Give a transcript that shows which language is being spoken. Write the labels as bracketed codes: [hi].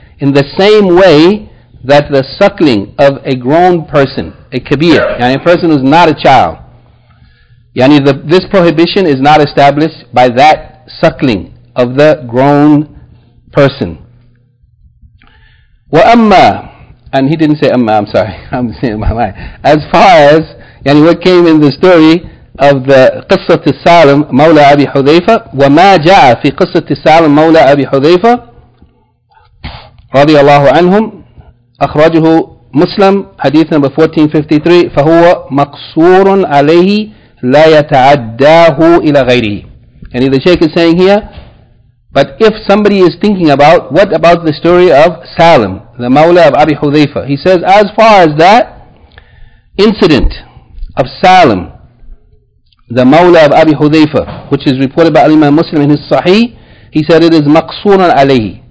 [en] In the same way that the suckling of a grown person, a kabir, a person who is not a child, this prohibition is not established by that suckling of the grown person. [ar] وَأَمَّا, [en] and he didn't say [ar] أَمَّا, [en] I'm sorry, I'm saying my as far as what came in the story of the [ar] قصة السالم مولى أبي حذيفة وما جاء في قصة السالم مولى أبي حذيفة رضي الله عنهم أخرجه مسلم حديث number 1453 فهو مقصور عليه لا يتعداه إلى غيره. [en] And the Shaykh is saying here, but if somebody is thinking about what about the story of Salim, the مولى of أبي حذيفة, he says as far as that incident of Salim, the Mawla of Abi Hudhayfa, which is reported by Imam Muslim in his Sahih, he said it is [ar] maqsooran alayhi.